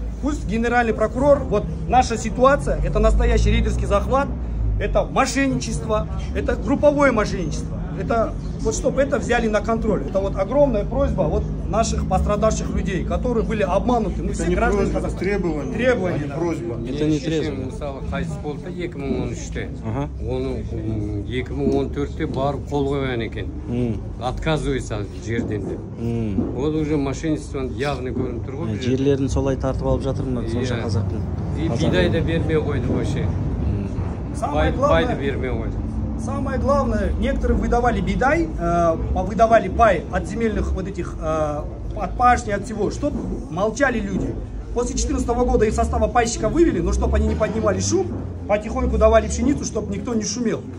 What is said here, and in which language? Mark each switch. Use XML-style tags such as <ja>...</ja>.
<ru>Пусть генеральный прокурор, вот наша ситуация, это настоящий рейдерский захват, это мошенничество, это групповое мошенничество. Это вот чтобы это взяли на контроль. Это вот огромная просьба вот наших пострадавших людей, которые были обмануты. Мы это все не граждане. Просьба, это требование. Требование. Да. Просьба. Это не требование.</ru> <kk>Мысалы, қайсы болды, 2013-те. Оны 2014-те барып қол қойған екен.</kk> <ru>Отказывается</ru> <kk>жерден деп. Ол</kk> <ru>уже мошенничество явно</ru> <kk>көрініп тұр ғой. Жерлерін солай тартып алып жатыр мына сонша қазақтың. И бидай да бермей қойды вообще. Байды бермей қойды.</kk> <ru>Самое главное, некоторые выдавали бидай, выдавали пай от земельных вот этих, от пашни, от всего, чтобы молчали люди. После 14 года из состава пайщика вывели, но чтобы они не поднимали шум, потихоньку давали пшеницу, чтобы никто не шумел.</ru>